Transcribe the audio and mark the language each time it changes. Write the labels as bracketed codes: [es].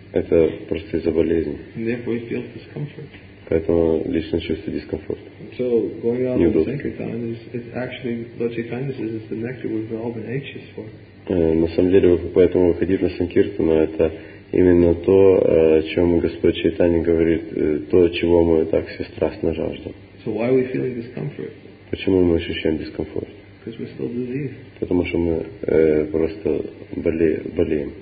[ru] Это просто из-за болезни. [en] And therefore he feels discomfort. [ru] Поэтому лично чувствую дискомфорт. [en] So going on with sankirtan is actually Lord Chaitanya says it's the nectar we've all been anxious for. [ru] На самом деле, поэтому выходить на санкиртану это именно то, о чем Господь Чайтанья говорит, то, чего мы так все страстно жаждем. [en] So why are we feeling discomfort? [ru] Почему мы ощущаем дискомфорт? [en] Because we're still diseased. [ru] Потому что мы просто болеем.